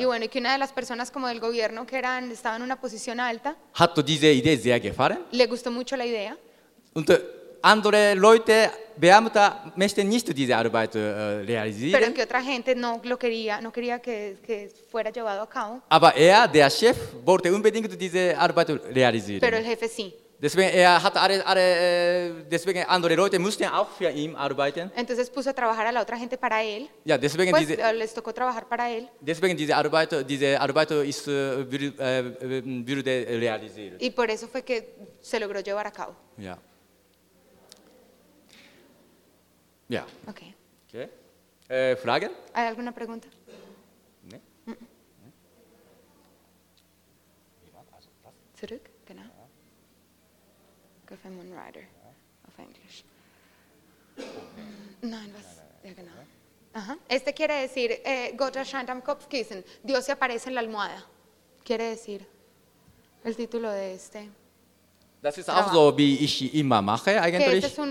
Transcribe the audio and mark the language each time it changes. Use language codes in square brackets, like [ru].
[es] Y bueno, que una de las personas como del gobierno que eran estaban en una posición alta. [de] Hat diese Idee sehr gefallen? [es] Le gustó mucho la idea. [de] Und andere Leute, Beamte, möchten nicht diese Arbeit realisieren. [es] Pero que otra gente no lo quería, no quería que fuera llevado a cabo. [de] Aber der Chef, wollte unbedingt diese Arbeit realisieren. [es] Pero el jefe sí. [de] Deswegen hat alle, deswegen andere Leute mussten auch für ihn arbeiten. [es] Entonces puso a trabajar a la otra gente para él. [de] Ja, deswegen [es] pues, [de] diese, [es] les tocó trabajar para él. [de] Deswegen diese Arbeit ist, würde realisiert. [es] Y por eso fue que se logró llevar a cabo. [de] Ja. Ja. Okay. Okay. Fragen? [es] Hay alguna pregunta? [de] Nee. Zurück, genau. Café Moonrider. Auf Englisch. Nein, was? Ja, genau. Aha. [es] Este quiere decir, [de] Gott erscheint am Kopfkissen. [es] Dios se aparece en la almohada. Quiere decir, el título de este. [de] Das ist auch so, wie ich immer mache, eigentlich.